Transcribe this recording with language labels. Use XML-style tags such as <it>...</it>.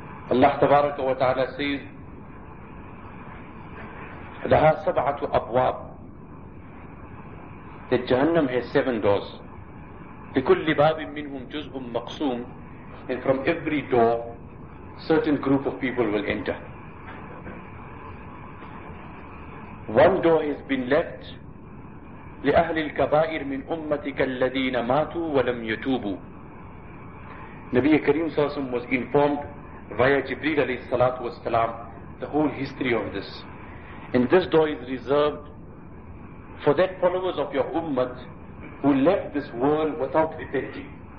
<en>Allah tabaraka wa ta'ala says,</en> <ar>لها سبعة أبواب.</ar> <en>That Jahannam has 7 doors.</en> <ar>لكل باب منهم جزء مقسوم.</ar> <en>And from every door, certain group of people will enter. One door has been left</en> <ar>لِأَهْلِ الْكَبَائِرِ مِنْ أُمَّتِكَ الَّذِينَ مَاتُوا وَلَمْ يَتُوبُوا.</ar> <en>Nabi Kareem Sassam was informed via Jibreel alayhi salatu was salam the whole history of this. And this door is reserved for that followers of your ummah who left this world without repenting.</en>